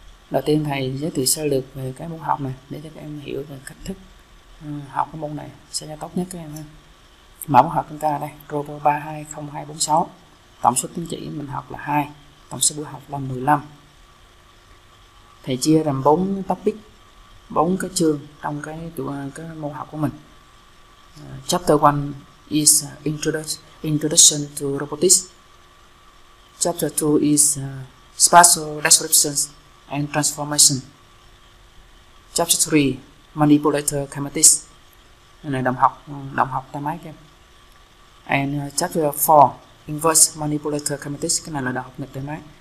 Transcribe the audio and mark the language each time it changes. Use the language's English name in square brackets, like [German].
[Vietnamese] Đầu tiên thầy giới thiệu sơ lược về cái môn học này để cho các em hiểu về cách thức học cái môn này sẽ là tốt nhất các em ha. Mẫu học chúng ta đây, Robo 320246. Tổng số tín chỉ mình học là 2, tổng số buổi học là 15. Thầy chia làm 4 topic, 4 cái chương trong cái môn học của mình. [English] Chapter 1 is Introduction to Robotics. Chapter 2 is Spatial Descriptions and Transformation. Chapter 3, Manipulator Kinematics. [Vietnamese] Này động học tay máy các em. [English] And chapter 4, Inverse Manipulator Kinematics, [Vietnamese] cái này là đại học nghịch tay máy.